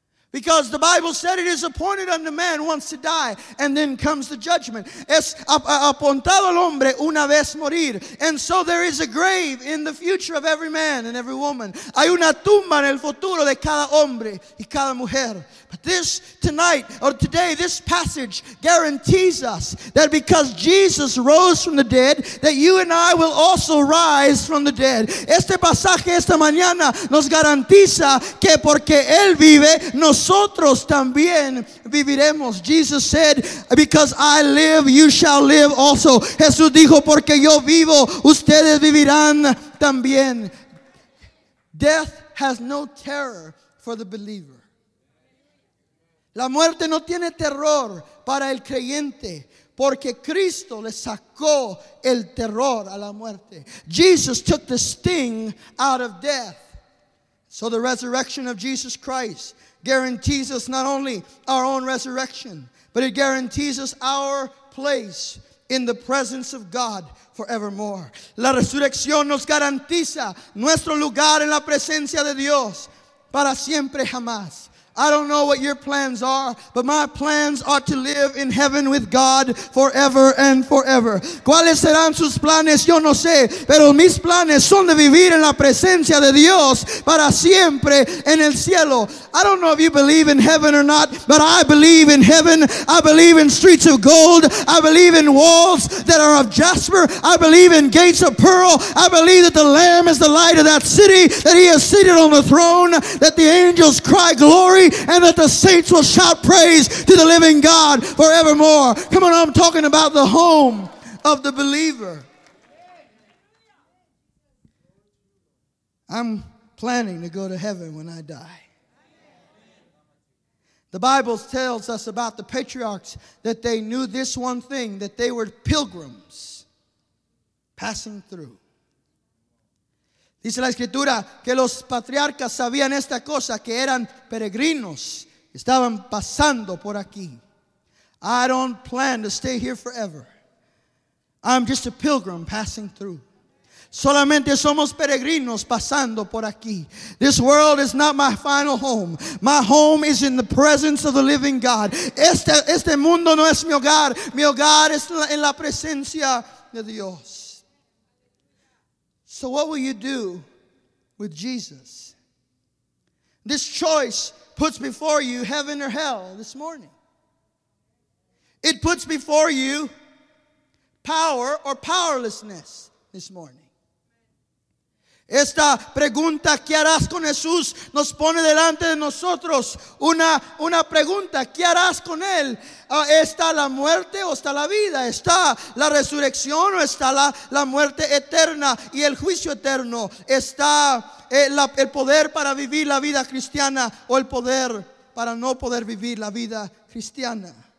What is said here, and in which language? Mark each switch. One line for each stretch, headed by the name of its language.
English: Because the Bible said it is appointed unto man once to die, and then comes the judgment.
Spanish: Es apuntado al hombre una vez morir.
English: And so there is a grave in the future of every man and every woman.
Spanish: Hay una tumba en el futuro de cada hombre y cada mujer.
English: But this passage guarantees us that because Jesus rose from the dead, that you and I will also rise from the dead.
Spanish: Este pasaje esta mañana nos garantiza que porque Él vive, nos nosotros también viviremos.
English: Jesus said, because I live, you shall live also.
Spanish: Jesús dijo, porque yo vivo, ustedes vivirán también
English: death has no terror for the believer.
Spanish: La muerte no tiene terror para el creyente, porque Cristo le sacó el terror a la muerte.
English: Jesus took the sting out of death. So the resurrection of Jesus Christ guarantees us not only our own resurrection, but it guarantees us our place in the presence of God forevermore.
Spanish: La resurrección nos garantiza nuestro lugar en la presencia de Dios para siempre jamás.
English: I don't know what your plans are, but my plans are to live in heaven with God forever and forever.
Spanish: ¿Cuáles serán sus planes? Yo no sé, pero mis planes son de vivir en la presencia de Dios para siempre en el cielo.
English: I don't know if you believe in heaven or not, but I believe in heaven. I believe in streets of gold. I believe in walls that are of jasper. I believe in gates of pearl. I believe that the Lamb is the light of that city, that he is seated on the throne, that the angels cry glory, and that the saints will shout praise to the living God forevermore. Come on, I'm talking about the home of the believer. I'm planning to go to heaven when I die. The Bible tells us about the patriarchs that they knew this one thing, that they were pilgrims passing through.
Spanish: Dice la Escritura que los patriarcas sabían esta cosa, que eran peregrinos, estaban pasando por aquí.
English: I don't plan to stay here forever. I'm just a pilgrim passing through.
Spanish: Solamente somos peregrinos pasando por aquí.
English: This world is not my final home. My home is in the presence of the living God.
Spanish: Este mundo no es mi hogar. Mi hogar es en la presencia de Dios.
English: So what will you do with Jesus? This choice puts before you heaven or hell this morning. It puts before you power or powerlessness this morning.
Spanish: Esta pregunta, ¿qué harás con Jesús? Nos pone delante de nosotros una pregunta, ¿qué harás con él? ¿Está la muerte o está la vida? ¿Está la resurrección o está la muerte eterna y el juicio eterno? ¿Está el poder para vivir la vida cristiana o el poder para no poder vivir la vida cristiana?